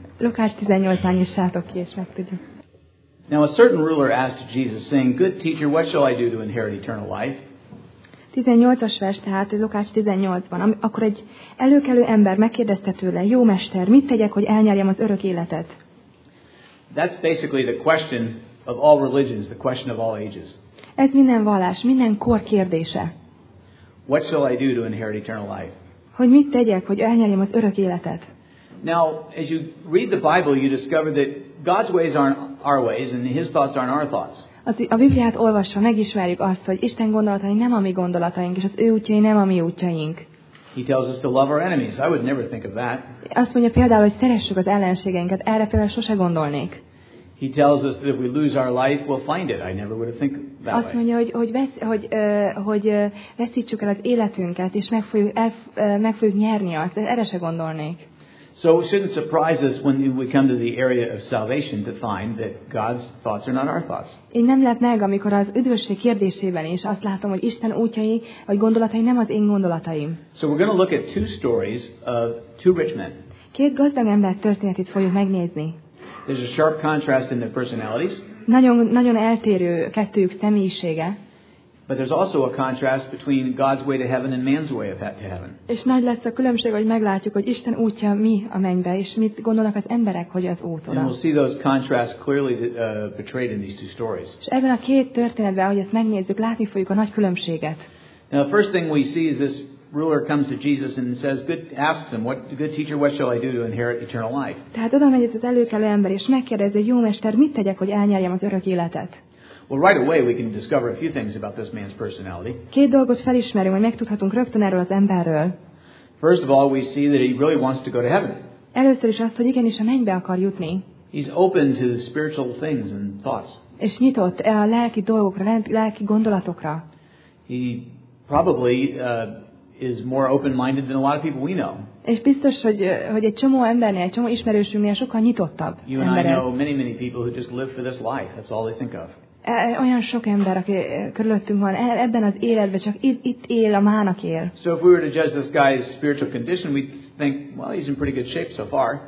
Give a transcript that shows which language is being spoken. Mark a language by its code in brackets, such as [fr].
[hu] Lukács 18-ban nyissátok ki, és megtudjuk. [en] Now a certain ruler asked Jesus, saying, "Good teacher, what shall I do to inherit eternal life?" [hu] 18-as vers, tehát Lukács 18-ban. Akkor egy előkelő ember megkérdezte tőle, jó mester, mit tegyek, hogy elnyerjem az örök életet? [en] That's basically the question of all religions, the question of all ages. [hu] Ez minden vallás, minden kor kérdése. [en] What shall I do to inherit eternal life? [hu] Hogy mit tegyek, hogy elnyerjem az örök életet? [en] Now, as you read the Bible, you discover that God's ways aren't our ways, and His thoughts aren't our thoughts. [hu] A Bibliát olvasva megismerjük azt, hogy Isten gondolatai nem a mi gondolataink, és az ő útjai nem a mi útjaink. [en] He tells us to love our enemies. I would never think of that. [hu] Azt mondja például, hogy szeressük az ellenségeinket. Erre például sose gondolnék. [en] He tells us that if we lose our life, we'll find it. I never would have think that. [hu] Azt mondja, hogy veszítsük el az életünket, és meg fogjuk nyerni azt. Erre se gondolnék. [en] So it shouldn't surprise us when we come to the area of salvation to find that God's thoughts are not our thoughts. [hu] Én nem lep meg, amikor az üdvösség kérdésében is azt látom, hogy Isten útjai, vagy gondolatai nem az én gondolataim. [en] So we're going to look at two stories of two rich men. [hu] Két gazdag ember történetét fogjuk megnézni. [en] There's a sharp contrast in their personalities. [hu] Nagyon eltérő kettőjük személyisége. [en] But there's also a contrast between God's way to heaven and man's way of to heaven. [hu] És nagy lesz a különbség, hogy meglátjuk, hogy Isten útja mi a mennybe, és mit gondolnak az emberek, hogy az út oda. [en] And we'll see those contrasts clearly portrayed in these two stories. [hu] És ebben a két történetben, ahogy ezt megnézzük, látni fogjuk a nagy különbséget. [en] Now the first thing we see is this ruler comes to Jesus and says, "Good, asks him, what good teacher, what shall I do to inherit eternal life?" [hu] Tehát oda megy ez az előkelő ember, és megkérdezi, jó mester, mit tegyek, hogy elnyerjem az örök életet? [en] Well, right away we can discover a few things about this man's personality. [hu] Két dolgot felismerünk, hogy megtudhatunk rögtön erről az emberről. [en] First of all, we see that he really wants to go to heaven. [hu] Először is azt, hogy igenis a mennybe akar jutni. [en] He's open to the spiritual things and thoughts. [hu] És nyitott a lelki dolgokra, lelki gondolatokra. [en] He probably is more open-minded than a lot of people we know. [hu] És biztos, hogy egy csomó embernél, egy csomó ismerősünknél sokkal nyitottabb ember. [en] You and I know many people who just live for this life. That's all they think of. [hu] Olyan sok ember, aki körülöttünk van, ebben az életben csak itt él, a mának él. [en] So if we were to judge this guy's spiritual condition, we'd think, well, he's in pretty good shape so far.